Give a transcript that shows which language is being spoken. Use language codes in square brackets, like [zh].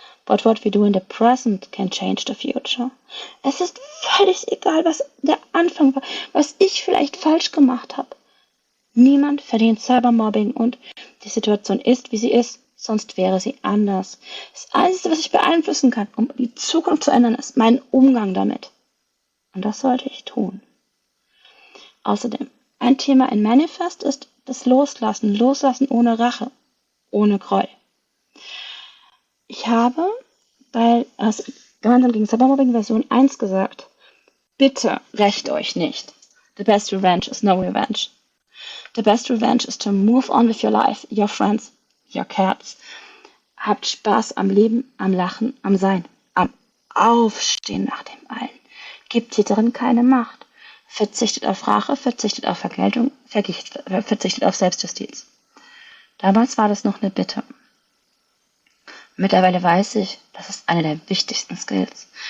[en] But what we do in the present can change the future. [de] Es ist völlig egal, was der Anfang war, was ich vielleicht falsch gemacht habe. Niemand verdient Cybermobbing und die Situation ist, wie sie ist, sonst wäre sie anders. Das Einzige, was ich beeinflussen kann, um die Zukunft zu ändern, ist mein Umgang damit. Und das sollte ich tun. Außerdem, ein Thema in Manifest ist das Loslassen. Loslassen ohne Rache, ohne Groll. Ich habe bei Gewandern gegen Cybermobbing Version 1 gesagt, bitte rächt euch nicht. [en] The best revenge is no revenge. The best revenge is to move on with your life, your friends, your cats. [de] Habt Spaß am Leben, am Lachen, am Sein, am Aufstehen nach dem Allen. Gebt Täterin keine Macht. Verzichtet auf Rache, verzichtet auf Vergeltung, verzichtet auf Selbstjustiz. Damals war das noch eine Bitte. Mittlerweile weiß ich, das ist einer der wichtigsten Skills.